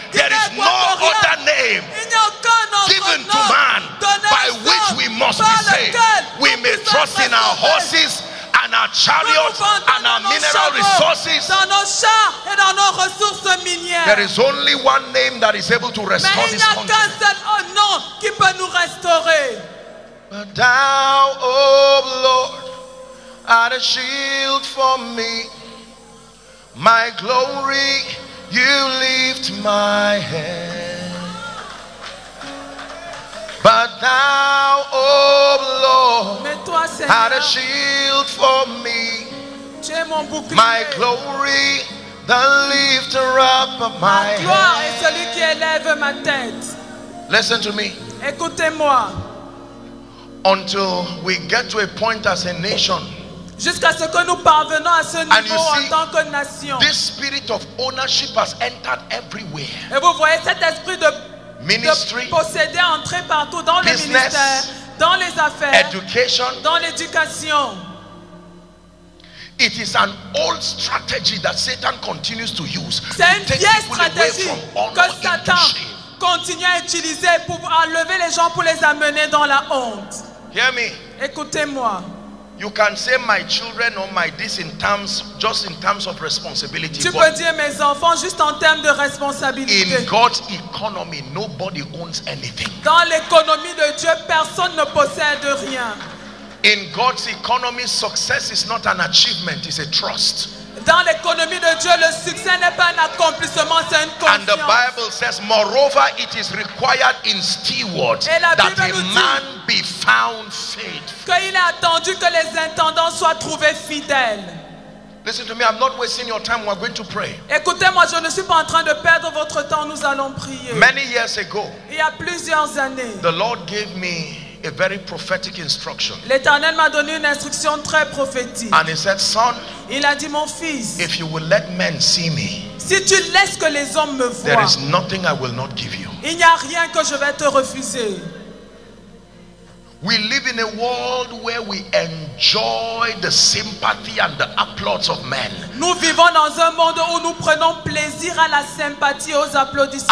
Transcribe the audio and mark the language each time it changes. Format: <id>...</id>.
<en>There is no other name given to man by which we must be saved. We may trust in our horses and our chariots and our mineral resources.</en> <fr>Dans nos chars et dans nos ressources minières.</fr> <en>There is only one name that is able to restore this continent.</en> <fr>Mais il n'y a qu'un seul nom qui peut nous restaurer.</fr> <en>But thou, oh Lord, art a shield for me. My glory, you lift my head. But thou, oh Lord, art a shield for me. My glory, the lifter up of my head.</en> <fr>Ma gloire est celui qui élève ma tête.</fr> <en>Listen to me.</en> <fr>Écoutez-moi.</fr> <en>Until we get to a point as a nation,</en> <fr>jusqu'à ce que nous parvenons à ce niveau</fr> <en>see,</en> <fr>en tant que nation,</fr> <en>this spirit of ownership has entered everywhere.</en> <fr>Et vous voyez cet esprit de</fr> <en>ministry,</en> <fr>de posséder, entrer partout dans</fr> <en>business,</en> <fr>le ministère, dans les affaires,</fr> <en>education,</en> <fr>dans l'éducation.</fr> <en>It is an old strategy that Satan continues to use.</en> <fr>C'est une vieille stratégie que Satan continue à utiliser pour enlever les gens, pour les amener dans la honte.</fr> <en>Hear me.</en> <fr>Écoutez-moi.</fr> <en>You can say my children or my this in terms, just in terms of responsibility.</en> <fr>Tu peux dire mes enfants juste en termes de responsabilité.</fr> <en>In God's economy, nobody owns anything.</en> <fr>Dans l'économie de Dieu, personne ne possède rien.</fr> <en>In God's economy, success is not an achievement, it's a trust.</en> <fr>Dans l'économie de Dieu, le succès n'est pas un accomplissement, c'est une confiance.</fr> <en>And the Bible says, moreover, it is required in stewards that a man be found faithful.</en> <fr>Qu'il est attendu que les intendants soient trouvés fidèles.</fr> <en>Listen to me, I'm not wasting your time, we're going to pray.</en> <fr>Écoutez-moi, je ne suis pas en train de perdre votre temps, nous allons prier.</fr> <en>Many years ago,</en> <fr>il y a plusieurs années,</fr> <en>the Lord gave me a very prophetic instruction.</en> <fr>L'Éternel m'a donné une instruction très prophétique.</fr> <en>And he said, son,</en> <fr>il a dit, mon fils,</fr> <en>if you will let men see me,</en> <fr>si tu laisses que les hommes me voient,</fr> <en>there is nothing I will not give you.</en> <fr>Il n'y a rien que je vais te refuser.</fr> <en>We live in a world where we enjoy the sympathy and the applause of men.</en> <fr>Nous vivons dans un monde où nous prenons plaisir à la sympathie, aux applaudissements.</fr>